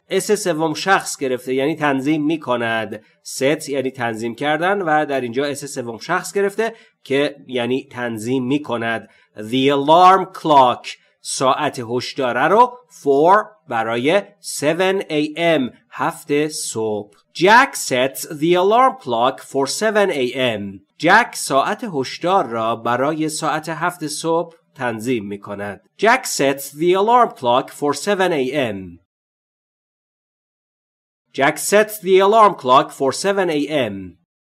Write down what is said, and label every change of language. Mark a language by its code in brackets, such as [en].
[fa] اس سوم شخص گرفته یعنی تنظیم می کند. ست یعنی تنظیم کردن و در اینجا اس سوم شخص گرفته که یعنی تنظیم می کند. [en] The alarm clock [fa] ساعت هشداره رو [en] for [fa] برای [en] 7 a.m. [fa] هفت صبح. [en] Jack sets the alarm clock for 7 a.m. [fa] Jack ساعت هشدار را برای ساعت هفت صبح تنظیم می کند. [en] Jack sets the alarm clock for 7 a.m. Jack sets the alarm clock for 7 a.m.